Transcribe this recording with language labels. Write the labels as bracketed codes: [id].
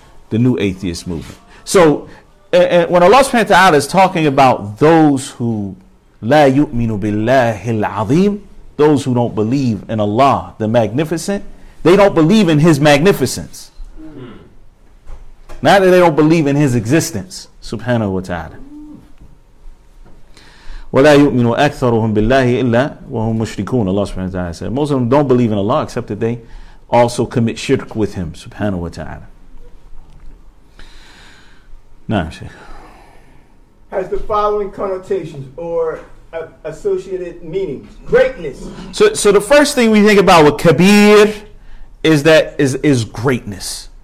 [en] The new atheist movement. So, when Allah subhanahu wa ta'ala is talking about those who [ar] لا يؤمنوا بالله العظيم, [en] those who don't believe in Allah, the magnificent, they don't believe in His magnificence. Not that they don't believe in His existence, subhanahu wa ta'ala. [ar] ولا يؤمنوا أكثرهم بالله إلا وهم مشركون. [en] Allah subhanahu wa ta'ala said, most of them don't believe in Allah except that they also commit shirk with Him, subhanahu wa ta'ala. No, Sheikh. Has the following connotations or associated meanings. Greatness. So the first thing we think about with Kabir is that is greatness.